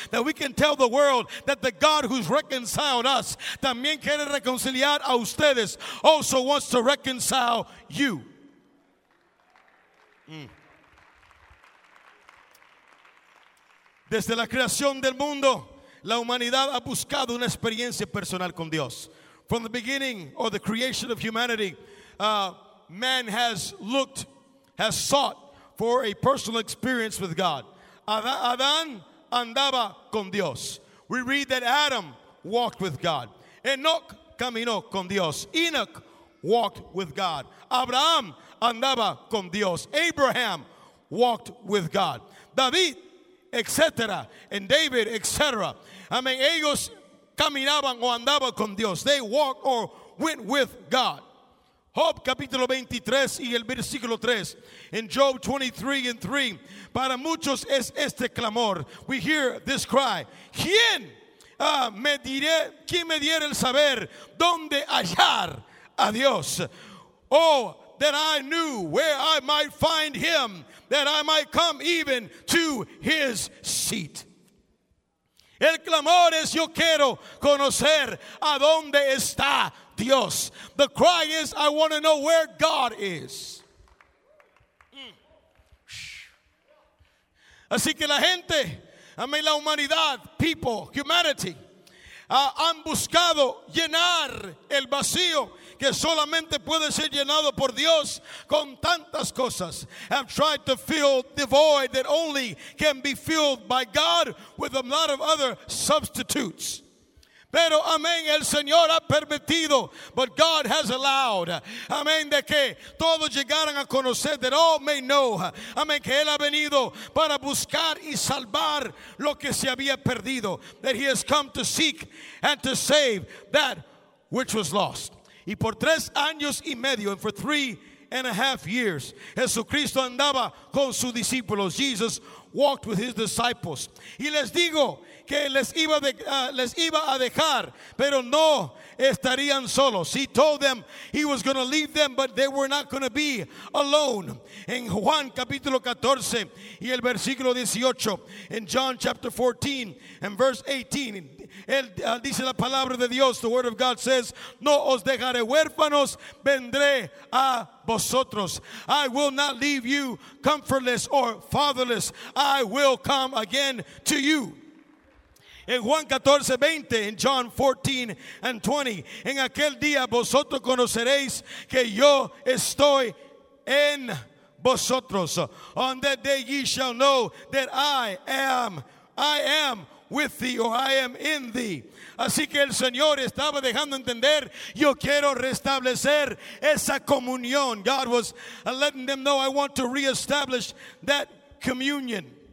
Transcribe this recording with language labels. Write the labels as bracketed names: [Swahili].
[English] That we can tell the world that the God who's reconciled us [Spanish] también quiere reconciliar a ustedes. [English] Also wants to reconcile you. [Spanish] Desde la creación del mundo, la humanidad ha buscado una experiencia personal con Dios. [English] From the beginning, or the creation of humanity, man has sought for a personal experience with God. [Spanish] Adán andaba con Dios. [English] We read that Adam walked with God. [Spanish] Enoch caminó con Dios. [English] Enoch walked with God. [Spanish] Abraham andaba con Dios. [English] Abraham walked with God. David, etc. And David, etc. I mean, [Spanish] ellos caminaban o andaban con Dios. [English] They walked or went with God. [Spanish] Job capítulo 23 y el versículo 3. [English] In Job 23 and 3, [Spanish] para muchos es este clamor. [English] We hear this cry. [Spanish] ¿Quién me diera el saber dónde hallar a Dios? [English] Oh, that I knew where I might find him, that I might come even to his seat. [Spanish] El clamor es, yo quiero conocer a dónde está Dios. [English] The cry is, I want to know where God is. [Spanish] Así que la gente, amén, la humanidad, [English] people, humanity, [Spanish] han buscado llenar el vacío que solamente puede ser llenado por Dios con tantas cosas. [English] Have tried to fill the void that only can be filled by God with a lot of other substitutes. [Spanish] Pero, amén, el Señor ha permitido, [English] but God has allowed, [Spanish] amén, de que todos llegaran a conocer, [English] that all may know, [Spanish] amén, que Él ha venido para buscar y salvar lo que se había perdido, [English] that He has come to seek and to save that which was lost. [Spanish] Y por 3 años y medio, [English] and for 3 and a half years, [Spanish] Jesucristo andaba con sus discípulos. Jesus [English] walked with his disciples. [Spanish] Y les digo que les iba a dejar, pero no estarían solos. [English] He told them he was going to leave them, but they were not going to be alone. [Spanish] En Juan capítulo 14 y el versículo 18, [English] in John chapter 14 and verse 18, [Spanish] él dice la palabra de Dios, [English] the word of God says, [Spanish] no os dejaré huérfanos, vendré a vosotros. [English] I will not leave you comfortless or fatherless. I will come again to you. [Spanish] En Juan 14, 20, en John 14 and 20, en aquel día vosotros conoceréis que yo estoy en vosotros. [English] On that day ye shall know that I am with thee, or I am in thee. [Spanish] Así que el Señor estaba dejando entender, yo quiero restablecer esa comunión. [English] God was letting them know, I want to reestablish that communion.